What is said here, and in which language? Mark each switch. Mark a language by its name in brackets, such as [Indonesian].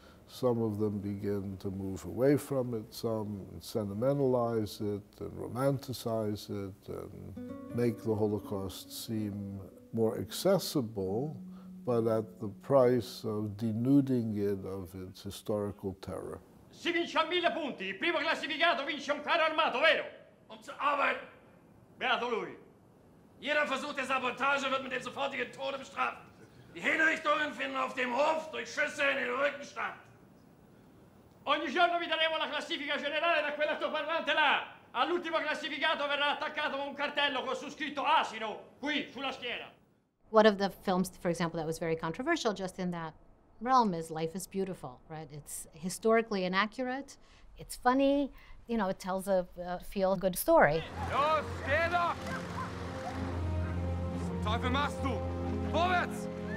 [English] Some of them begin to move away from it, some sentimentalize it and romanticize it and make the Holocaust seem more accessible, but at the price of denuding it of its historical terror. [Italian] Si vince a 1000 punti, il primo classificato vince un carro armato, vero? Aber, beato lui. [German] Jeder Versuch der Sabotage wird mit dem sofortigen Tode bestraft. Die Hinrichtungen finden auf dem Hof durch Schüsse in den Rücken statt. [Italian] Ogni giorno vi daremo la classifica generale da quell'altoparlante là. All'ultimo classificato verrà attaccato un cartello con su scritto asino qui sulla schiena. [English] One of the films, for example, that was very controversial just in that realm is Life is Beautiful, right? It's historically inaccurate, it's funny, you know, it tells a feel-good story. [German] Jo, steh doch! Was zum Teufel machst du? Vorwärts!